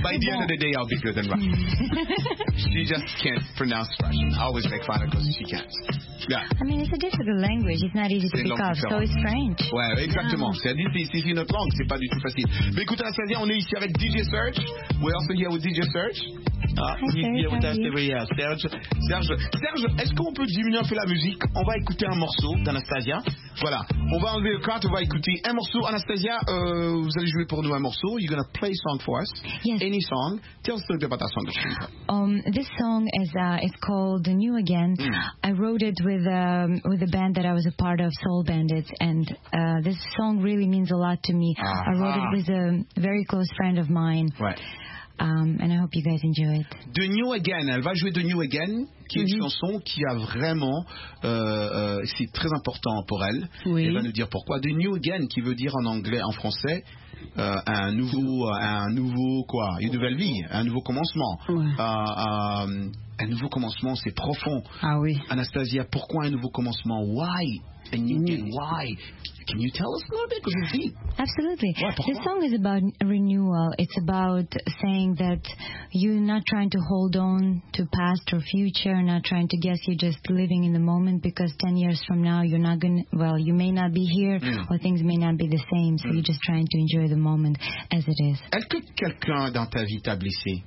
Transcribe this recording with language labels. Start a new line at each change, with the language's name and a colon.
English: By the end of the day, I'll be good in Russian. She just can't. Pronounce Russian. I always make fun of her because she can't. Yeah. I mean, it's a difficult language. It's not easy to pick up. So it's French.
French: Ouais, exactement.
English: Yeah.
French: C'est une autre langue. C'est pas du tout facile. Mais écoute, Anastasia, on est ici avec DJ Serge.
English: We're also here with DJ Serge.
French: Serge, est-ce qu'on peut diminuer un peu la musique? On va écouter un morceau d'Anastasia. Voilà. On va enlever le cut. On va écouter un morceau. Anastasia, vous allez jouer pour nous un morceau.
English: You're going to play a song for us. Yes. Any song. Tell us a little bit about that song. This song is called New Again. Mm. I wrote it with a band that I was a part of, Soul Bandits, and this song really means a lot to me. Ah, I wrote it with a very close friend of mine. Right. And I hope you guys enjoy it.
French: The New Again, elle va jouer The New Again, qui est une chanson qui a vraiment, c'est très important pour elle. Oui. Elle va nous dire pourquoi. The New Again, qui veut dire en anglais, en français, un nouveau commencement. Ouais. Un nouveau commencement, c'est profond. Ah oui.
English: Anastasia,
French: pourquoi un nouveau commencement?
English: Why? And why? Can you tell us a little bit? Because it's deep. Absolutely. Ouais, this song is about renewal. It's about saying that you're not trying to hold on to past or future, not trying to guess, you're just living in the moment, because 10 years from now, you may not be here, or things may not be the same, so you're just trying to enjoy the moment as it is.
French: Est-ce que quelqu'un dans ta vie t'a blessé?